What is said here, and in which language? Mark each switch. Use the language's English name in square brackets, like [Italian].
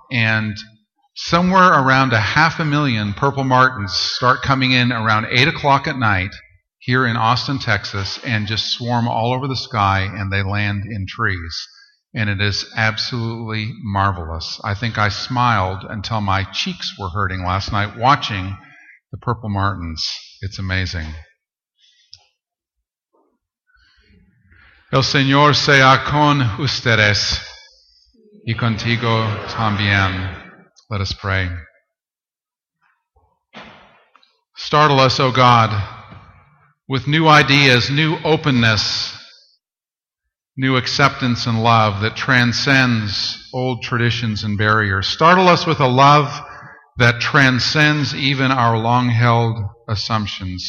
[English] And somewhere around 500,000 Purple Martins start coming in around 8 o'clock at night here in Austin, Texas, and just swarm all over the sky, and they land in trees. And it is absolutely marvelous. I think I smiled until my cheeks were hurting last night watching the Purple Martins. It's amazing. [Spanish] El Señor sea con ustedes y contigo también. [English] Let us pray. Startle us, O God, with new ideas, new openness, new acceptance and love that transcends old traditions and barriers. Startle us with a love that transcends even our long-held assumptions.